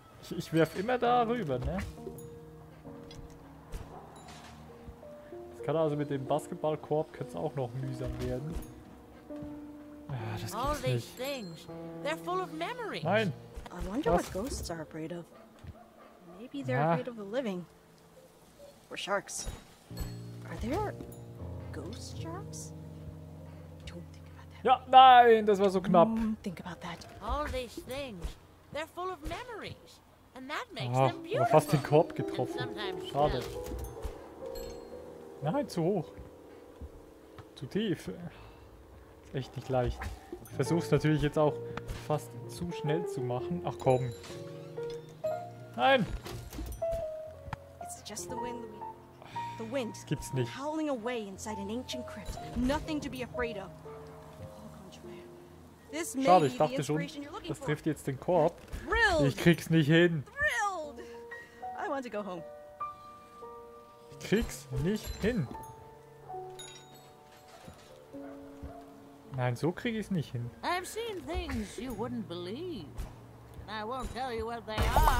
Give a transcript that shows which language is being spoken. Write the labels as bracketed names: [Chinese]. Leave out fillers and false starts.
[German] Ich werf immer da rüber, ne? Das kann also mit dem Basketballkorb könnte es auch noch mühsam werden. Ja, das gibt's nicht. [English] Things, they're full of memories. [German] Nein. [English] I wonder what ghosts are afraid of. Maybe they're afraid of the living. Or sharks. Are there ghost sharks? Don't think about that. [German] Ja, nein, das war so knapp. [English] Don't think about that. All these things, they're full of memories. And that makes them beautiful. [German] Aber fast den Korb getroffen. Schade. Nein, zu hoch. Zu tief. Ist echt nicht leicht. Ich versuch's natürlich jetzt auch fast zu schnell zu machen. Ach komm. Nein! [English] It's just the wind, Louis. The wind. [German] Das gibt's nicht. [English] Howling away inside an ancient crypt. Nothing to be afraid of. [German] Schade, ich dachte schon, das trifft jetzt den Korb. Ich krieg's nicht hin. [English] I want to go home. [German] Ich krieg's nicht hin. Nein, so krieg ich's nicht hin. [English] I've seen things you wouldn't believe. I won't tell you what they are.